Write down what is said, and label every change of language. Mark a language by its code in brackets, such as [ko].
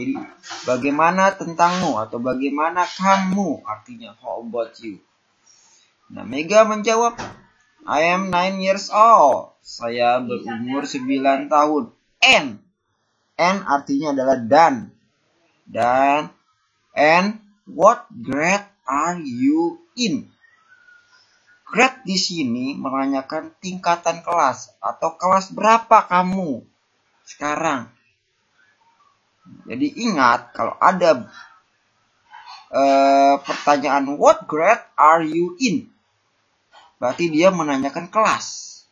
[id] Jadi bagaimana tentangmu atau bagaimana kamu artinya [en] how about you. [id] Nah Mega menjawab, [en] I am 9 years old, [id] saya berumur 9 tahun. And artinya adalah done. [en] Dan and what grade are you in? [id] Grade di sini menanyakan tingkatan kelas atau kelas berapa kamu sekarang. Jadi ingat kalau ada pertanyaan [en] what grade are you in, [id] berarti dia menanyakan kelas.